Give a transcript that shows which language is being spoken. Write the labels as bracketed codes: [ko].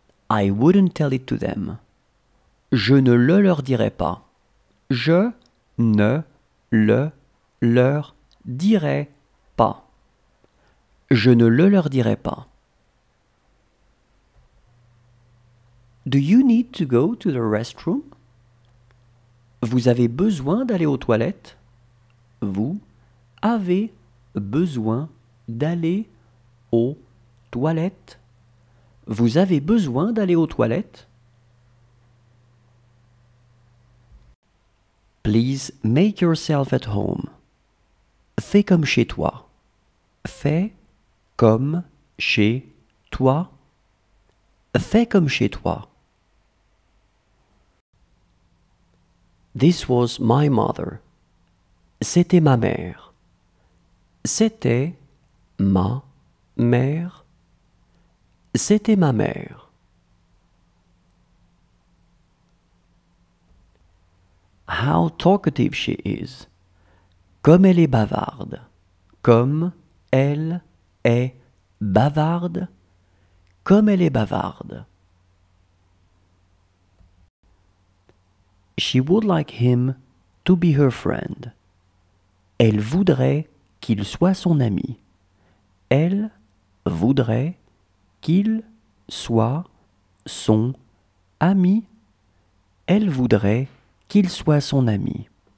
[en] I wouldn't tell it to them. [fr] Je ne le leur dirai pas. Je ne le leur dirai pas. Je ne le leur dirai pas. [en] Do you need to go to the restroom? [fr] Vous avez besoin d'aller aux toilettes? Vous avez besoin d'aller aux toilettes? Vous avez besoin d'aller aux toilettes? [en] Please make yourself at home. [fr] Fais comme chez toi. Fais comme chez toi. Fais comme chez toi. [en] This was my mother. [fr] C'était ma mère. C'était ma mère. C'était ma mère. [en] How talkative she is. [fr] Comme elle est bavarde. Comme elle est bavarde. Comme elle est bavarde. [en] She would like him to be her friend. [fr] Elle voudrait qu'il soit son ami. Elle voudrait qu'il soit son ami. Elle voudrait qu'il soit son ami.